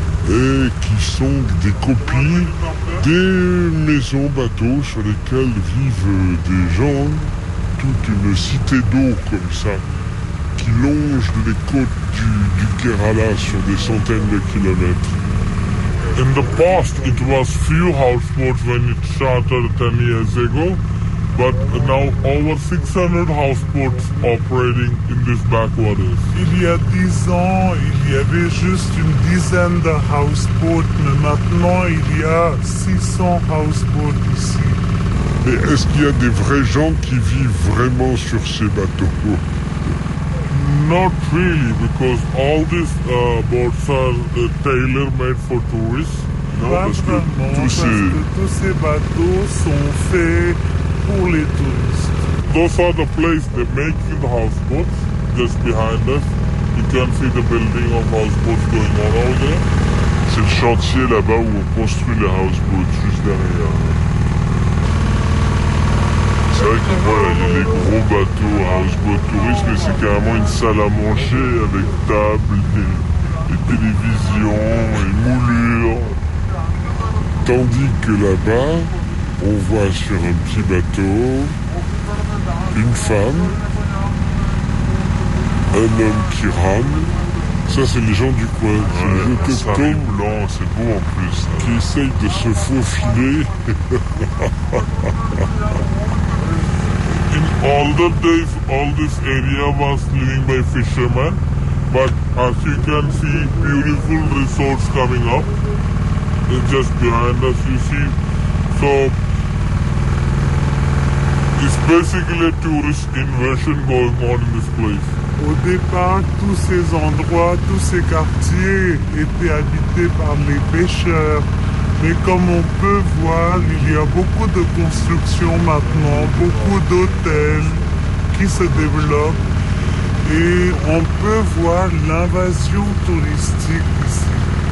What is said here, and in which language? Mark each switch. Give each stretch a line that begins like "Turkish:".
French: et qui sont des copies des maisons bateaux sur lesquelles vivent des gens, toute une cité d'eau comme ça, qui longe les côtes du Kerala sur des centaines de kilomètres.
English: In the past, it was few houseboats when it started 10 years ago, but now over 600 houseboats operating in this backwaters.
French: Il y a 10 ans, il y avait juste une dizaine de houseboats, mais maintenant il y a 600 houseboats ici. Mais est-ce qu'il y a des vrais gens qui vivent vraiment sur ces bateaux?
English: Not really, because all these boats are tailor-made for tourists.
French: Tous ces bateaux sont faits pour les touristes.
English: Those are the places they make the houseboats, just behind us. You can see the building of houseboats going on over there.
French: C'est le chantier là-bas où on construit les houseboats, juste derrière. C'est vrai qu'on voit les gros bateaux à houseboat tourisme, mais c'est carrément une salle à manger avec table et télévision et moulure. Tandis que là-bas, on voit sur un petit bateau une femme, un homme qui rame. Ça, c'est les gens du coin. Ouais, c'est les autochtones. C'est blanc, c'est beau en plus. Hein. Qui essayent de se faufiler.
English: All the days, all this area was living by fishermen, but as you can see, beautiful resorts coming up. It's just behind us, you see. So, it's basically a tourist invasion going on in this place.
French: Au départ, tous ces endroits, tous ces quartiers étaient habités par les pêcheurs. Mais comme on peut voir, il y a beaucoup de constructions maintenant, beaucoup d'hôtels qui se développent. Et on peut voir l'invasion touristique ici.